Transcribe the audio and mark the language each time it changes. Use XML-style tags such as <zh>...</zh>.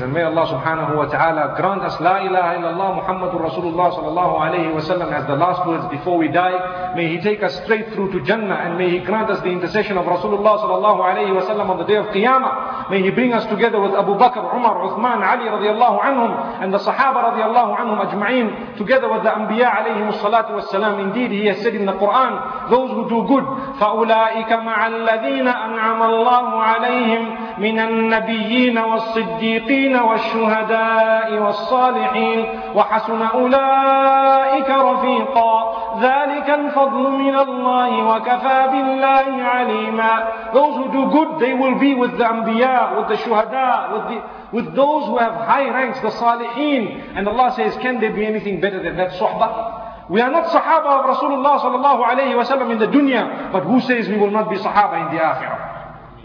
<en>And may Allah subhanahu wa ta'ala grant us La ilaha illallah Muhammadur Rasulullah sallallahu alayhi wa sallam as the last words before we die. May He take us straight through to Jannah and may He grant us the intercession of Rasulullah sallallahu alayhi wa sallam on the day of Qiyamah. May He bring us together with Abu Bakr, Umar, Uthman, Ali radiallahu anhum and the Sahaba radiallahu anhum ajma'in together with the Anbiya alayhim salatu wa salam. Indeed, He has said in the Quran, those who do good,</en> <ar>فَأُولَٰئِكَ مَعَ الَّذِينَ أَنْعَمَ اللَّهُ عليهم من النبيين والصديقين والشهداء والصالحين وحسن أولئك رفيقا ذلك الفضل من الله وكفى بالله عليما.</ar> <en>Those who do good, they will be with the Anbiya, with the Shuhada, with those who have high ranks, the Saliheen. And Allah says, can there be anything better than that Sohba? We are not Sahaba of Rasulullah sallallahu alayhi wa sallam in the dunya, but who says we will not be Sahaba in the Akhirah?</en>